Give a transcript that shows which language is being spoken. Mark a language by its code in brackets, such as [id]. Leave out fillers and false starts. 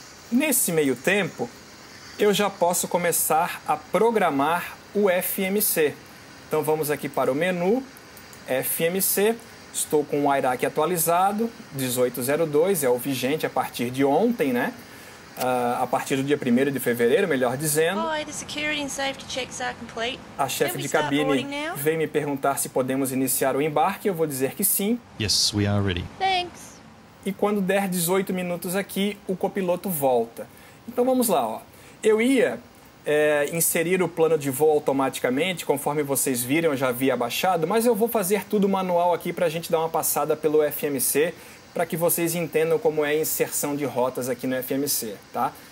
[pt] Nesse meio tempo, eu já posso começar a programar o FMC. Então vamos aqui para o menu, FMC, estou com o IRAC atualizado, 1802, é o vigente a partir de ontem, né? A partir do dia 1º de fevereiro, melhor dizendo. [en] Hi, the security and safety checks are complete. [pt] A chefe de cabine vem me perguntar se podemos iniciar o embarque, eu vou dizer que sim. [en] Yes, we are ready. Thanks. [pt] E quando der 18 minutos aqui, o copiloto volta. Então vamos lá, ó. Eu ia inserir o plano de voo automaticamente, conforme vocês viram, eu já havia baixado, mas eu vou fazer tudo manual aqui para a gente dar uma passada pelo FMC, para que vocês entendam como é a inserção de rotas aqui no FMC, tá?